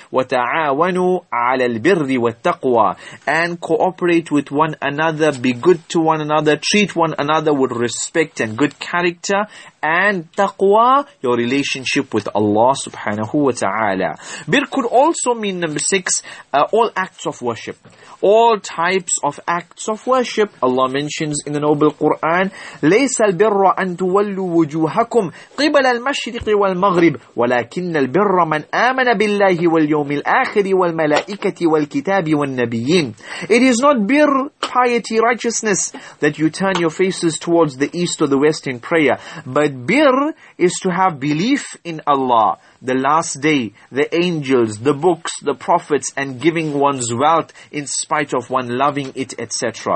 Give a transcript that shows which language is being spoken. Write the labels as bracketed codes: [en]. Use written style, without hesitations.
[ar] وَتَعَاوَنُوا عَلَى الْبِرِّ وَالتَّقْوَى, [en] and cooperate with one another, be good to one another, treat one another with respect and good character. And taqwa, your relationship with Allah subhanahu wa ta'ala. Birr could also mean, number 6, all acts of worship. All types of acts of worship. Allah mentions in the Noble Quran, [ar] لَيْسَ الْبِرَّ أَن تُوَلُّوا وُجُوهَكُمْ قِبَلَ الْمَشْرِقِ وَالْمَغْرِبِ وَلَكِنَّ الْبِرَّ مَنْ آمَنَ بِاللَّهِ وَالْيَوْمِ الْآخِرِ وَالْمَلَائِكَةِ وَالْكِتَابِ وَالنَّبِيِّينَ. [en] It is not birr, piety, righteousness, that you turn your faces towards the east or the west in prayer, but birr is to have belief in Allah, the last day, the angels, the books, the prophets, and giving one's wealth in spite of one loving it, etc.